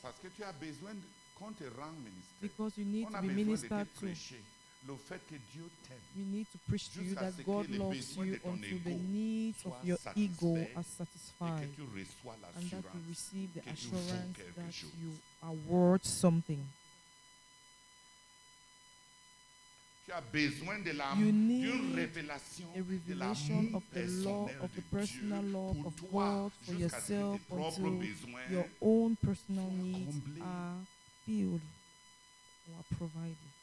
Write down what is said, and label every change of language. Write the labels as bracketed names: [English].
[French] Parce que tu as besoin de, quand tu rends ministère. [English] Because you need to be minister to. [French] Le fait que Dieu t'aime. [English] You need to preach to you that God loves you until the needs of your ego are satisfied. [French] Et que tu reçois l'assurance. [English] And that you receive the assurance that you are worth something. [French] Tu as besoin de la révélation de la [English] of the law of the personal love of God for yourself until your own personal needs are filled or are provided.